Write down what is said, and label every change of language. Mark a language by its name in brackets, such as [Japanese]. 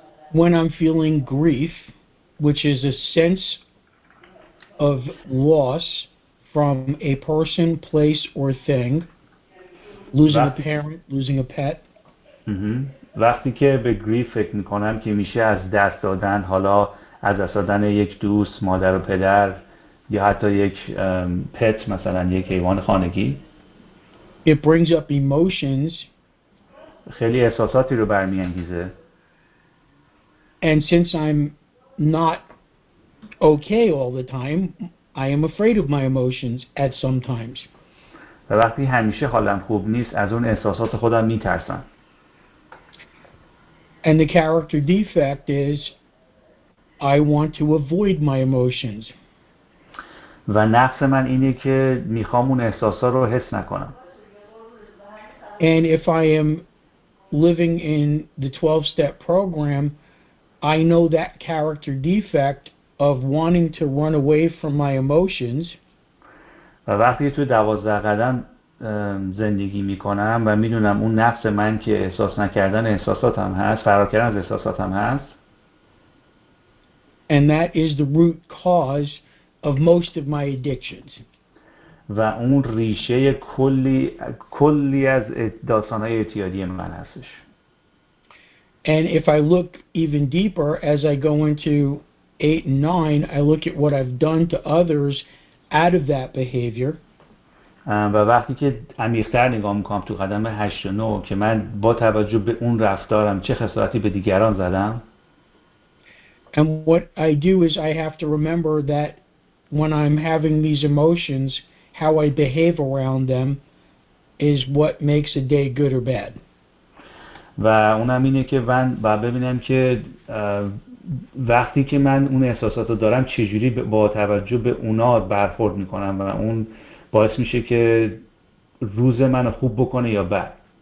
[English] When I'm feeling grief, which is a sense of loss from a person, place or thing, losing a parent, losing a pet. [Persian] وقتی که به گریف فکر میکنم که میشه از دست دادن, حالا از دست دادن یک دوست, مادر و پدر یا حتی یک پت, مثلا یک حیوان خانگی, [English] it brings up emotions, [Persian] خیلی احساساتی رو برمی انگیزه. [English] And since I'm not okay all the time, I am afraid of my emotions at some times. [Persian] و وقتی همیشه حالم خوب نیست از اون احساسات خودم میترسم. [English] And the character defect is I want to avoid my emotions. [Persian] و نقص من اینه که میخوام اون احساسا رو حس نکنم. [English] And if I am living in the 12 step program, I know that character defect of wanting to run away from my emotions. [Persian] و وقتی تو 12 قدم زندگی میکنم و میدونم اون نقص من که احساس نکردن احساساتم هست, فرار کردن از احساساتم هست, [English] And that is the root cause of most of my addictions. [Persian] و اون ریشه کلی از داستانهای اعتیادی من هستش. [English] And if I look even deeper as I go into 8 and 9, I look at what I've done to others out of that behavior. [Persian] و وقتی که عمیق‌تر نگاه می‌کنم تو قدم 8 و 9 که من با توجه به اون رفتارم چه خسارتی به دیگران زدم. [English] And what I do is I have to remember that when I'm having these emotions, how I behave around them is what makes a day good or bad. [Persian] و اونم اینه که من باید ببینم که وقتی که من اون احساسات رو دارم چجوری با توجه به اونا برخورد میکنم و اون باعث میشه که روز من خوب بکنه یا بد.